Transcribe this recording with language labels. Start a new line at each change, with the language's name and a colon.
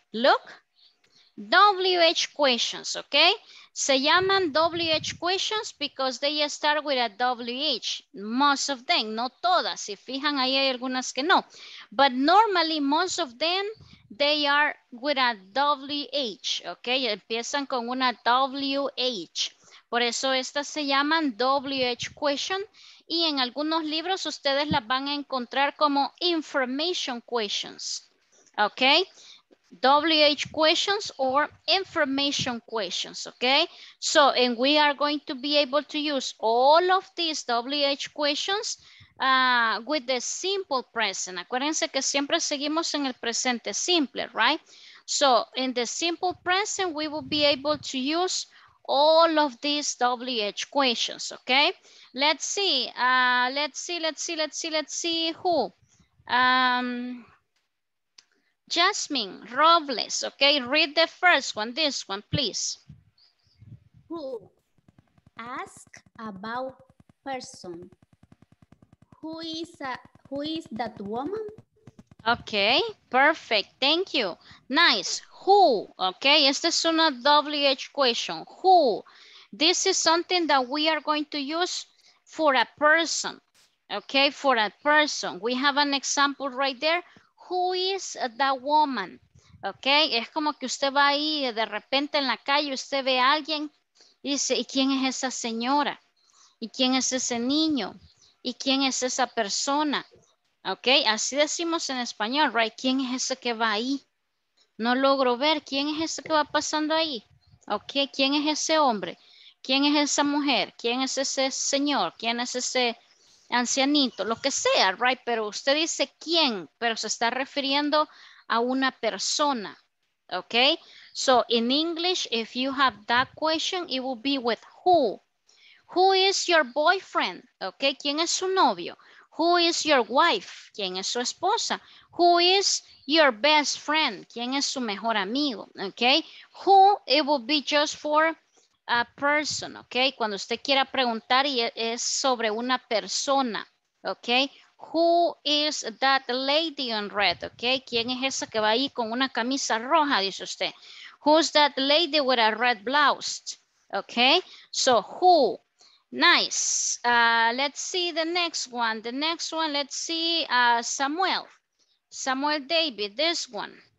English: Look, WH questions, okay?
Spanish: Se llaman WH questions
English: because they start with a WH, most of them,
Spanish: no todas, si fijan ahí hay algunas que no.
English: But normally most of them, they are with a WH, okay?
Spanish: Empiezan con una WH. Por eso estas se llaman WH question y en algunos libros ustedes las van a encontrar como information questions, okay?
English: WH questions or information questions, okay? So, and we are going to be able to use all of these WH questions with the simple present.
Spanish: Acuérdense que siempre seguimos en el presente simple, right?
English: So, in the simple present, we will be able to use all of these WH questions, okay? Let's see, who? Jasmine Robles, okay, read the first one, this one, please. Who? Ask about person. Who is that woman? Okay, perfect, thank you. Nice, who, okay,
Spanish: esta es una WH question,
English: who? This is something that we are going to use for a person, okay, for a person. We have an example right there. Who is that woman?
Spanish: Okay, es como que usted va ahí de repente en la calle, usted ve a alguien y dice, ¿y quién es esa señora? ¿Y quién es ese niño? ¿Y quién es esa persona? Okay, así decimos en español, right? ¿Quién es ese que va ahí? No logro ver, ¿quién es ese que va pasando ahí? Okay, ¿quién es ese hombre? ¿Quién es esa mujer? ¿Quién es ese señor? ¿Quién es ese ancianito, lo que sea, right? Pero usted dice quién, pero se está refiriendo a una persona, okay?
English: So in English, if you have that question, it will be with who. Who is your boyfriend? Okay,
Spanish: ¿quién es su novio?
English: Who is your wife?
Spanish: ¿Quién es su esposa?
English: Who is your best friend?
Spanish: ¿Quién es su mejor amigo?
English: Okay, who, it will be just for a person, okay?
Spanish: Cuando usted quiera preguntar y es sobre una persona, okay?
English: Who is that lady in red,
Spanish: okay? ¿Quién es esa que va ahí con una camisa roja, dice usted?
English: Who's that lady with a red blouse, okay? So, who? Nice. Let's see the next one. The next one, let's see Samuel. Samuel David, this one.